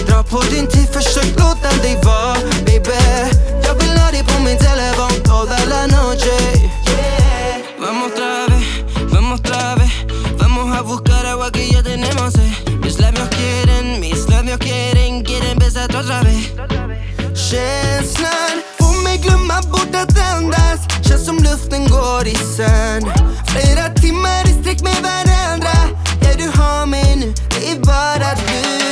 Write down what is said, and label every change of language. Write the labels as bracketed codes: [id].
[sv] På din tid, försök låta dig vara, baby. Jag vill ha dig på min telefon [es] toda la noche. Vamos otra vez, vamos otra vez. Vamos a buscar agua que ya tenemos, mis labios quieren, quieren besar otra vez. [sv] Känslan, får mig glömma bort att andas. Känns som luften går isär. Flera timmar i sträck med varandra. Ja, du har mig nu, det är bara du.